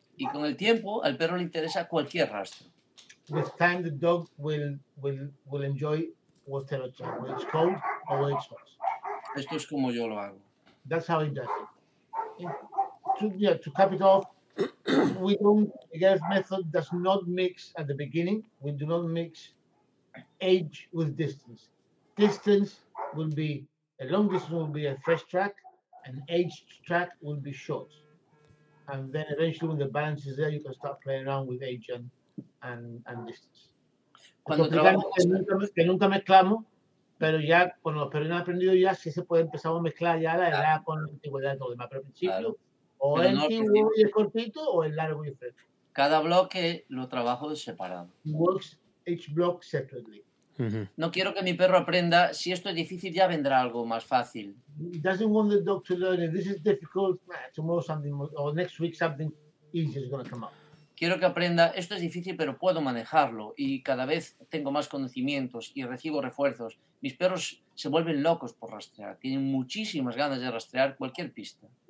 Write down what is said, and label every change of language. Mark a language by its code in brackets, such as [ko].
[es] Y con el tiempo, al perro le interesa cualquier rastro. [en] With time, the dog will enjoy whatever track, whether it's cold or whether it's hot. [es] Esto es como yo lo hago. [en] That's how he does it. To cap it off, we don't, the GERF method does not mix at the beginning. We do not mix age with distance. Distance will be, a long distance will be a fresh track, an aged track will be short. And then eventually when the balance is there, you can start playing around with age and distance. [es] Cuando trabajamos... Que nunca mezclamos, pero ya, con los perros han aprendido ya, si se puede empezar a mezclar ya la edad con la antigüedad de los demás, pero al principio, claro. O pero el antiguo no y el cortito, o el largo y el fresco. Cada bloque lo trabajo separado. [en] Works each block separately. Mm-hmm. [es] No quiero que mi perro aprenda, si esto es difícil ya vendrá algo más fácil. [en] He doesn't want the dog to learn if this is difficult, tomorrow something or next week something easy is going to come up. [es] Quiero que aprenda, esto es difícil pero puedo manejarlo y cada vez tengo más conocimientos y recibo refuerzos. Mis perros se vuelven locos por rastrear, tienen muchísimas ganas de rastrear cualquier pista.